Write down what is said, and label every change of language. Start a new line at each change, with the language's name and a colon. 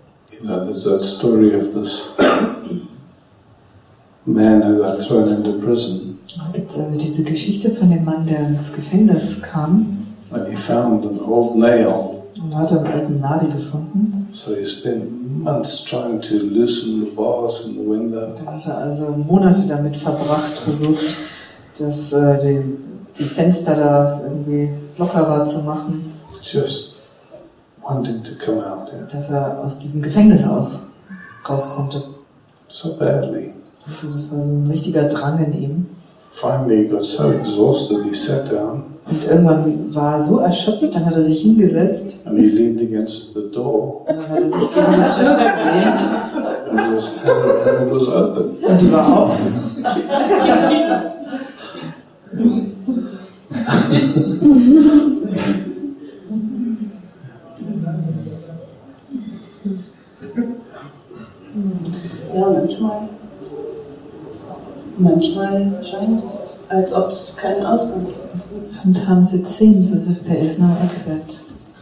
English: You know, there's that story of this man who got thrown into prison.
German: Gibt's also diese Geschichte von dem Mann, der ins Gefängnis kam.
English: And he found an old nail.
German: Und hat einen alten Nagel gefunden.
English: So he spent months trying to loosen the bars in the window.
German: Dann hat er also Monate damit verbracht, versucht, dass die Fenster da irgendwie lockerer zu machen.
English: Just wanting to come out there.
German: Dass er aus diesem Gefängnis rauskonnte.
English: So badly.
German: Also das war so ein richtiger Drang in ihm.
English: Finally, he got so exhausted, he sat down.
German: Und irgendwann war er so erschöpft, dann hat er sich hingesetzt.
English: And he leaned against the door.
German: Und dann hat er sich gegen die Tür gelehnt.
English: And it was open.
German: Und die war auf. Ja, manchmal scheint es, als ob es keinen Ausgang gibt.
English: Sometimes it seems as if there is no exit.